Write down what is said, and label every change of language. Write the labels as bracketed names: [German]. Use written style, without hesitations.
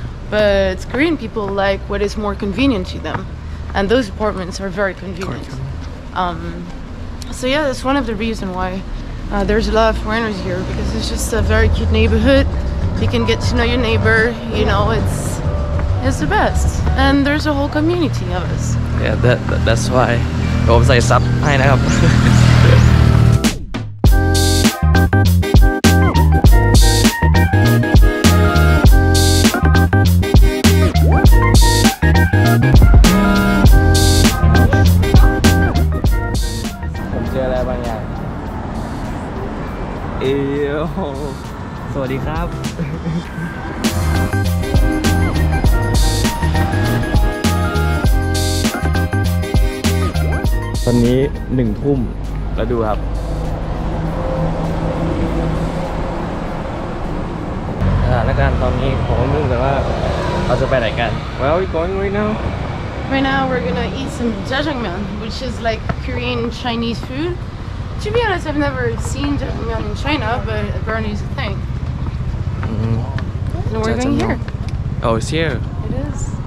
[English] But Korean people like what is more convenient to them, and those apartments are very convenient. So yeah, that's one of the reasons why there's a lot of foreigners here, because it's just a very cute neighborhood. You can get to know your neighbor, you know, it's the best. And there's a whole community of us. Yeah, that's why. [Thai] ผมใส่ซับให้นะครับผมเจออะไรบางอย่างเอ้ยสวัสดีครับ ตอนนี้หนึ่งทุ่มแล้วดูครับสถานการณ์ตอนนี้ผมไม่รู้แต่ว่าเราจะไปไหนกัน [English] Where are we going right now? Right now we're gonna eat some jajangmyeon which is like Korean Chinese food To be honest I've never seen jajangmyeon in China but apparently it's a thing And we're going here Oh it's here It is